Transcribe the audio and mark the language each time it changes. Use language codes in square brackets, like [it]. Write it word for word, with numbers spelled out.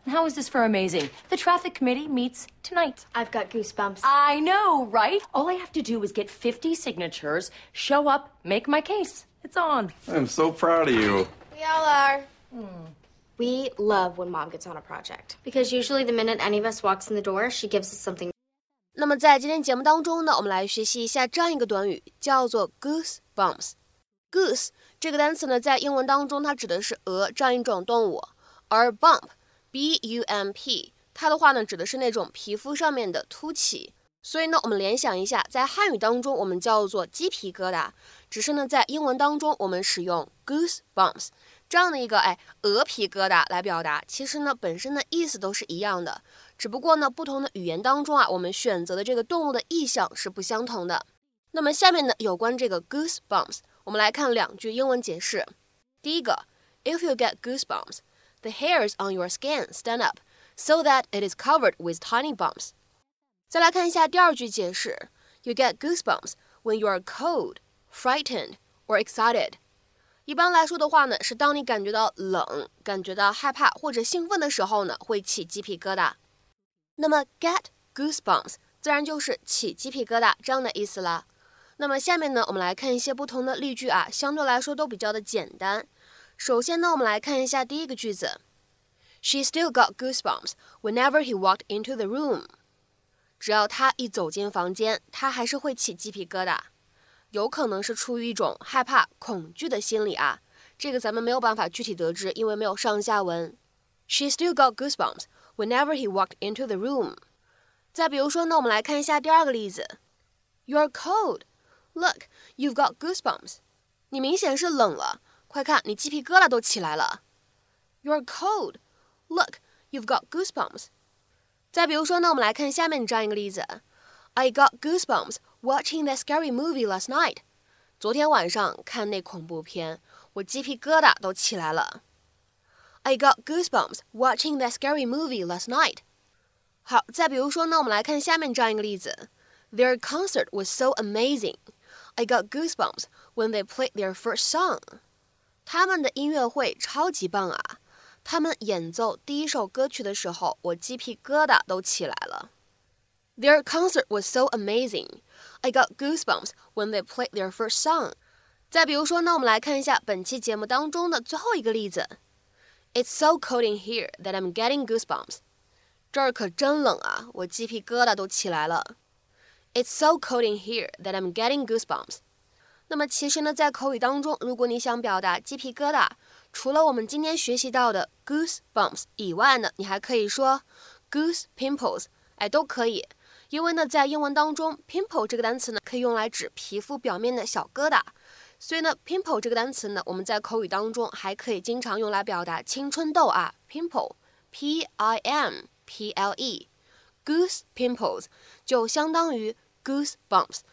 [en] And how is this for amazing? The traffic committee meets tonight. I've got goosebumps. I know, right? All I have to do is get fifty signatures, show up, make my case. It's on. I'm so proud of you. We all are. Mm. We love when mom gets on a project, because usually the minute any of us walks in the door, she gives us something. [zh] 那么在今天节目当中呢，我们来学习一下这样一个短语，叫做 goosebumps。 Goose 这个单词呢，在英文当中它指的是鹅这样一种动物，而 bump B U M P 它的话呢，指的是那种皮肤上面的凸起。所以呢，我们联想一下，在汉语当中我们叫做鸡皮疙瘩，只是呢，在英文当中我们使用 goosebumps。这样的一个哎鹅皮疙瘩来表达，其实呢本身的意思都是一样的，只不过呢不同的语言当中啊，我们选择的这个动物的意象是不相同的。那么下面呢有关这个 goosebumps， 我们来看两句英文解释。第一个 [en] ，If you get goosebumps, the hairs on your skin stand up so that it is covered with tiny bumps。 [zh] 再来看一下第二句解释 [en] ，You get goosebumps when you are cold, frightened, or excited。 [zh] 一般来说的话呢，是当你感觉到冷、感觉到害怕或者兴奋的时候呢，会起鸡皮疙瘩。那么 get goosebumps 自然就是起鸡皮疙瘩这样的意思啦。那么下面呢，我们来看一些不同的例句啊，相对来说都比较的简单。首先呢，我们来看一下第一个句子 [en] ，She still got goosebumps whenever he walked into the room。 [zh] 只要他一走进房间，他还是会起鸡皮疙瘩。有可能是出于一种害怕恐惧的心理啊，这个咱们没有办法具体得知，因为没有上下文。 [en] She still got goosebumps whenever he walked into the room。 [zh] 再比如说呢，我们来看一下第二个例子 [en] You're cold, look, you've got goosebumps。 [zh] 你明显是冷了，快看你鸡皮疙瘩都起来了。 [en] You're cold, look, you've got goosebumps。 [zh] 再比如说呢，我们来看下面这样一个例子 [en] I got goosebumps watching that scary movie last night. [zh] 昨天晚上看那恐怖片，我鸡皮疙瘩都起来了。 [en] I got goosebumps watching that scary movie last night. [zh] 好，再比如说呢，我们来看下面这样一个例子 [en] Their concert was so amazing. I got goosebumps when they played their first song. [zh] 他们的音乐会超级棒啊，他们演奏第一首歌曲的时候，我鸡皮疙瘩都起来了。 [en] Their concert was so amazing. I got goosebumps when they played their first song. [zh] 再比如说呢，我们来看一下本期节目当中的最后一个例子 [en] It's so cold in here that I'm getting goosebumps. [zh] 这儿可真冷啊，我鸡皮疙瘩都起来了。 [en] It's so cold in here that I'm getting goosebumps. [zh] 那么其实呢，在口语当中，如果你想表达鸡皮疙瘩，除了我们今天学习到的 goosebumps 以外呢，你还可以说 goose pimples， 哎，都可以。因为呢，在英文当中 pimple 这个单词呢，可以用来指皮肤表面的小疙瘩，所以呢 pimple 这个单词呢，我们在口语当中还可以经常用来表达青春痘啊 pimple P I M P L E。 Goose pimples 就相当于 goosebumps